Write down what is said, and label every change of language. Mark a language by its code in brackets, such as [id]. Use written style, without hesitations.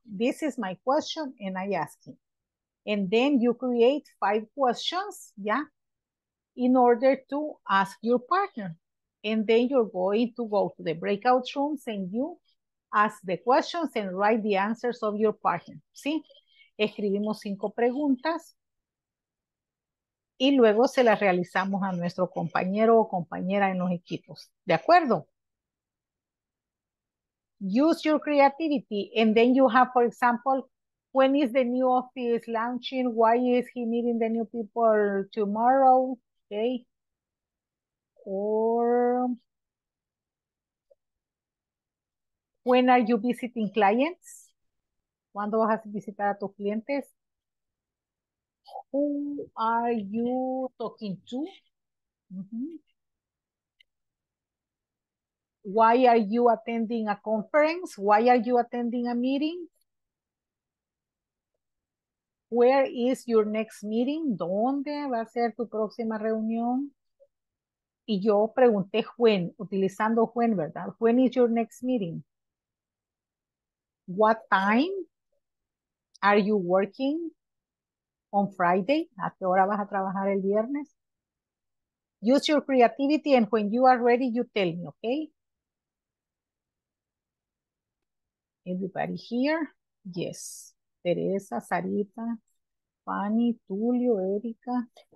[en] This is my question and I ask him. And then you create five questions, yeah, in order to ask your partner. And then you're going to go to the breakout rooms and you ask the questions and write the answers of your partner. [es] ¿Sí? Escribimos cinco preguntas y luego se las realizamos a nuestro compañero o compañera en los equipos. ¿De acuerdo? [en] Use your creativity. And then you have, for example, when is the new office launching? Why is he meeting the new people tomorrow? Okay. Or when are you visiting clients? [es] ¿Cuándo vas a visitar a tus clientes? [en] Who are you talking to? Why are you attending a conference? Why are you attending a meeting? Where is your next meeting? [es] ¿Dónde va a ser tu próxima reunión? Y yo pregunté [en] when, [es] utilizando [en] when, [es] ¿verdad? [en] When is your next meeting? What time are you working on Friday? [es] ¿A qué hora vas a trabajar el viernes? [en] Use your creativity and when you are ready, you tell me, okay? Everybody here? Yes. Teresa, Sarita, Fanny, Tulio, Erika.